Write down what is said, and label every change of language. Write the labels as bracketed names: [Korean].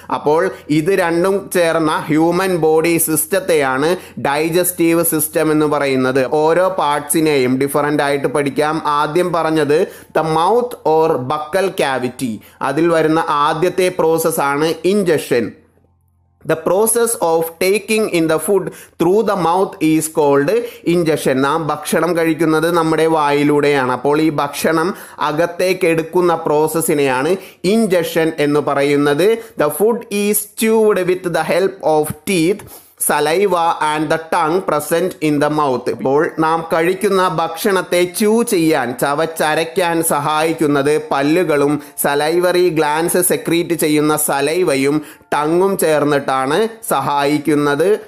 [Malayalam] അപ്പോൾ ഇത് രണ്ടും ചേർന്ന ഹ്യൂമൻ ബോഡി സിസ്റ്റത്തെയാണ് ഡൈജസ്റ്റീവ് സിസ്റ്റം എന്ന് പറയുന്നത്. ഓരോ പാർട്സിനെയും ഡിഫറൻ്റ് ആയിട്ട് പഠിക്കാം. ആദ്യം പറഞ്ഞത് the mouth or buccal cavity, അതിൽ വരുന്ന ആദ്യത്തെ പ്രോസസ്സാണ് injection. [English] The process of taking in the food through the mouth is called ingestion. [Malayalam] നാം ഭക്ഷണം കഴിക്കുന്നത് നമ്മുടെ വായിലൂടെയാണ്. അപ്പോൾ ഈ ഭക്ഷണം അകത്തേക്ക് എടുക്കുന്ന പ്രോസസ്സിനെയാണ് ഇൻജഷൻ എന്ന് പറയുന്നത്. [English] The food is chewed with the help of teeth. Saliva and the tongue present in the mouth. [Malayalam] ഇപ്പോൾ നാം കഴിക്കുന്ന ഭക്ഷണത്തെ ച്യൂ ചെയ്യാൻ, ചവച്ചരയ്ക്കാൻ സഹായിക്കുന്നത് പല്ലുകളും സലൈവറി ഗ്ലാൻസ് സെക്രീറ്റ് ചെയ്യുന്ന സലൈവയും ടങ്ങും ചേർന്നിട്ടാണ് സഹായിക്കുന്നത്.